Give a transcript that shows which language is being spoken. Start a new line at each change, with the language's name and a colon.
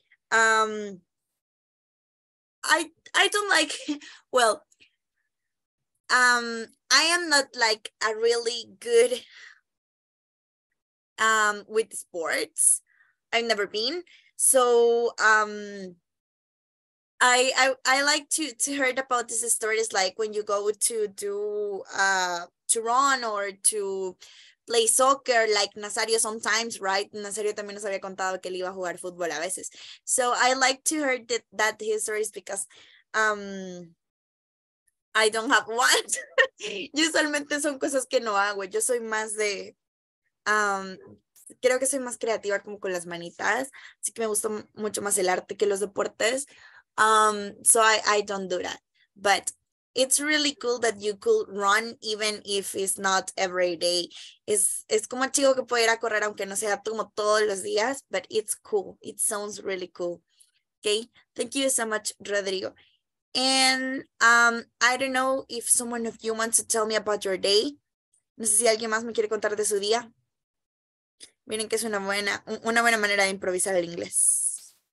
English: I don't like, well, I am not like a really good with sports. I've never been. So I like to hear about this story. It's like when you go to do to run or to play soccer, like Nazario sometimes, right?
Spanish: Nazario también nos había contado que él iba a jugar fútbol a veces.
English: So I like to hear that history because I don't have one.
Spanish: Yo solamente son cosas que no hago. Yo soy más de, creo que soy más creativa como con las manitas. Así que me gusta mucho más el arte que los deportes.
English: So I don't do that. But it's really cool that you could run even if it's not every day.
Spanish: Es como chico que puede ir a correr aunque no sea como todos los días,
English: but it's cool. It sounds really cool. Okay, thank you so much, Rodrigo. And I don't know if someone of you wants to tell me about your day.
Spanish: No sé si alguien más me quiere contar de su día. Miren que es una buena manera de improvisar el inglés.